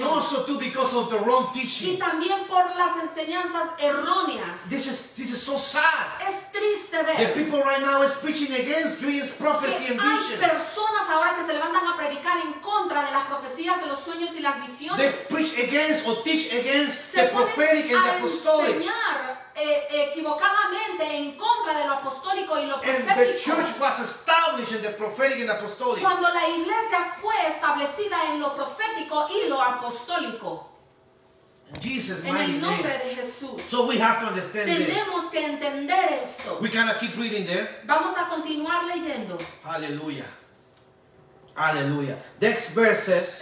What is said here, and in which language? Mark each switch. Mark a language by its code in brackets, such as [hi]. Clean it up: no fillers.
[en] And also too because of the wrong teaching. [es] Y también por las enseñanzas erróneas. [en] This is so sad. [es] Es triste ver. [en] The people right now is preaching against dreams, prophecy, and visions. [es] Hay personas ahora que se levantan a predicar en contra de las profecías, de los sueños y las visiones. [en] They preach against or teach against the prophetic and the apostolic. [es] Equivocadamente en contra de lo apostólico y lo profético. [en] And the church was established in the prophetic and apostolic. [es] Cuando la iglesia fue establecida en lo profético y lo apostólico. [en] Jesus, [es] en el nombre de Jesús. [en] So we have to understand [es] tenemos Que entender esto. [en] We cannot keep reading there. [es] Vamos a continuar leyendo. [en] Aleluya. Aleluya. Next verse says,